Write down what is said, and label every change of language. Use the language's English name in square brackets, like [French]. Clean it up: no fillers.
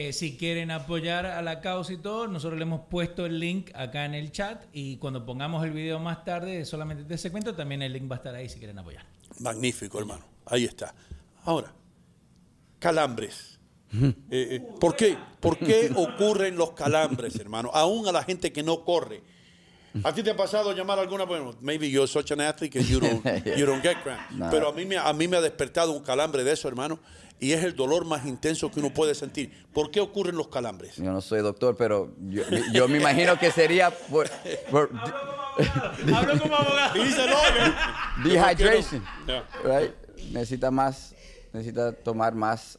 [Spanish] Si quieren apoyar a la causa y todo, nosotros le hemos puesto el link acá en el chat y cuando pongamos el video más tarde, solamente de ese cuento, también el link va a estar ahí si quieren apoyar. Magnífico, hermano. Ahí está. Ahora, calambres. ¿Por qué ocurren los calambres, hermano? Aún a la gente que no corre. ¿A ti te ha pasado llamar alguna? [English] Bueno, maybe you're such an athlete that you don't get cramps. [Spanish] No. Pero a mí me ha despertado un calambre de eso, hermano. Y es el dolor más intenso que uno puede sentir. ¿Por qué ocurren los calambres? Yo no soy doctor, pero yo me imagino que sería por Hablo como abogado. Dice no. Dehydration. No. Yeah. Right? Necesita tomar más